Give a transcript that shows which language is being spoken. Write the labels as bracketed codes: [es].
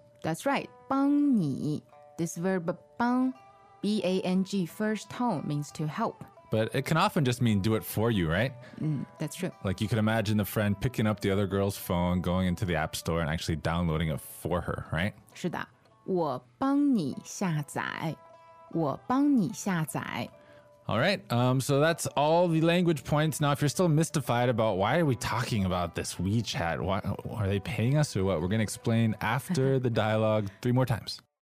[en] That's right, 帮你, this verb 帮。 B-A-N-G, first tone, means to help. But it can often just mean do it for you, right? That's true. Like you could imagine the friend picking up the other girl's phone, going into the app store and actually downloading it for her, right? [zh] 是的。我帮你下载。我帮你下载。 [en] All right. So that's all the language points. Now, if you're still mystified about why are we talking about this WeChat, why are they paying us or what? We're going to explain after the dialogue three more times.